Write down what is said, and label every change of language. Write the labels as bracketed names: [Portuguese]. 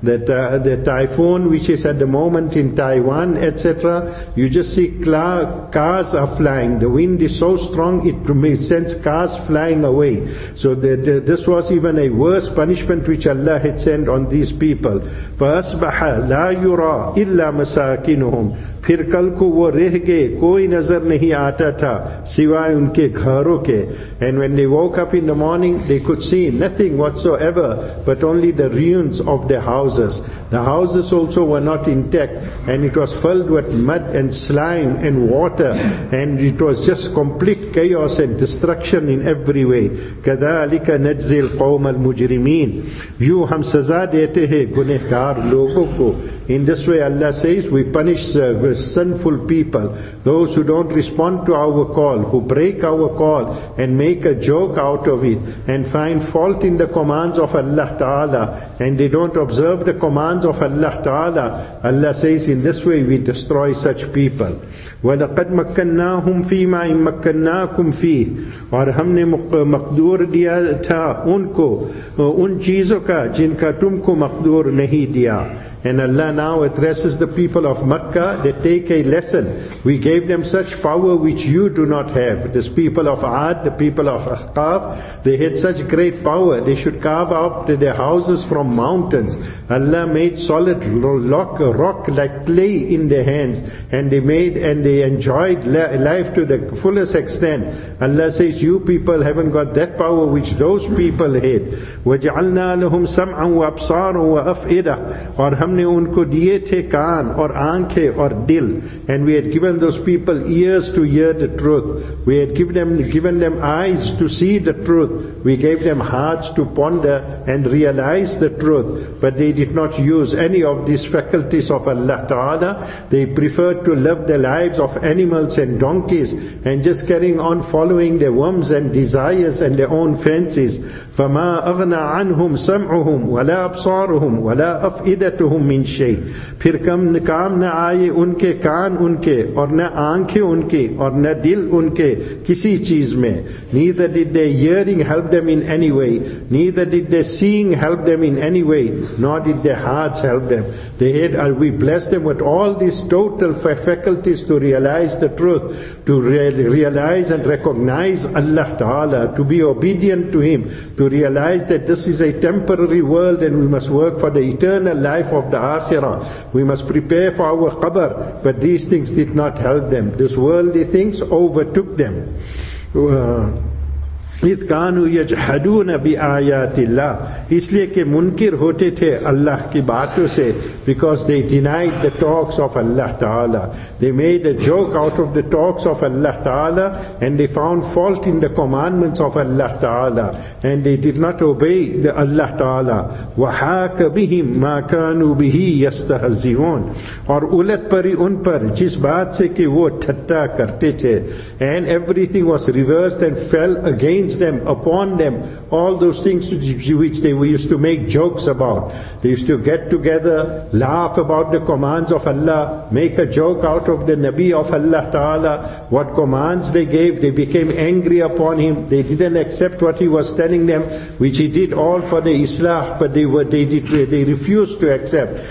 [English] The typhoon which is at the moment in Taiwan, etc., you just see cars are flying. The wind is so strong it sends cars flying away. So this was even a worse punishment which Allah had sent on these people. [Arabic] فَأَصْبَحَ لَا يُرَى إِلَّا مَسَاكِنُهُمْ [Urdu] پھر کل کو وہ رہ گئے کوئی نظر نہیں آتا تھا سوائے ان کے گھروں کے. [English] And when they woke up in the morning, they could see nothing whatsoever but only the ruins of their houses. The houses also were not intact, and it was filled with mud and slime and water, and it was just complete chaos and destruction in every way. [Arabic] كَذَلِكَ نَجْزِ الْقَوْمَ الْمُجْرِمِينَ. [Urdu] یوں ہم سزا دیتے ہیں گنہگار لوگوں کو. [English] In this way Allah says, we punish sinful people, those who don't respond to our call, who break our call and make a joke out of it and find fault in the commands of Allah Ta'ala, and they don't observe the commands of Allah Ta'ala. Allah says, in this way we destroy such people. [Arabic] وَلَقَدْ مَكَّنَّاهُمْ فِي مَا إِمْ مَكَّنَّاكُمْ فِيهِ. [Urdu] اور ہم نے مقدور دیا تھا ان کو ان چیزوں کا جن کا تم کو مقدور نہیں دیا. [English] And Allah now addresses the people of Makkah, they take a lesson. We gave them such power which you do not have. This people of Ad, the people of Ahqaf, they had such great power. They should carve out their houses from mountains. Allah made solid rock like clay in their hands, and they enjoyed life to the fullest extent. Allah says, you people haven't got that power which those people had. [Arabic] وَجْعَلْنَا لَهُمْ سَمْعًا وَأَبْصَارًا وَأَفْئِدَةً. [Urdu] ہم نے ان کو دیئے تھے کان اور آنکھیں اور دل. [English] And we had given those people ears to hear the truth. We had given them eyes to see the truth. We gave them hearts to ponder and realize the truth. But they did not use any of these faculties of Allah Ta'ala. They preferred to live the lives of animals and donkeys and just carrying on following their whims and desires and their own fancies. [Arabic] فَمَا أَغْنَى عَنْهُمْ سَمْعُهُمْ وَلَا أَبْصَارُهُمْ وَلَا أَفْئِدَتُهُمْ من شيء. [Urdu] پھر کام نہ آئے ان کے کان ان کے اور نہ آنکھیں ان کے اور نہ دل ان کے کسی چیز میں. [English] Neither did their hearing help them in any way, neither did their seeing help them in any way, nor did their hearts help them. We blessed them with all these total faculties to realize the truth, to realize and recognize Allah Ta'ala, to be obedient to Him, to realize that this is a temporary world and we must work for the eternal life of the Akhirah. We must prepare for our qabr. But these things did not help them. These worldly things overtook them. [Arabic] اِذْ كَانُوا يَجْحَدُونَ بِآيَاتِ اللَّهِ. [Urdu] اس لئے کہ منکر ہوتے تھے اللہ کی باتوں سے. [English] Because they denied the talks of Allah Ta'ala. They made a joke out of the talks of Allah Ta'ala, and they found fault in the commandments of Allah Ta'ala, and they did not obey the Allah Ta'ala. [Arabic] وَحَاكَ بِهِمْ مَا كَانُوا بِهِ يَسْتَهَزِّئُونَ. [Urdu] اور اُلَتْ پَرِ اُن پَر جس بات سے کہ وہ ٹھٹھا کرتے تھے. [English] And everything was reversed and fell again them, upon them, all those things which they used to make jokes about. They used to get together, laugh about the commands of Allah, make a joke out of the Nabi of Allah Ta'ala. What commands they gave, they became angry upon him. They didn't accept what he was telling them, which he did all for the Islah, but they refused to accept.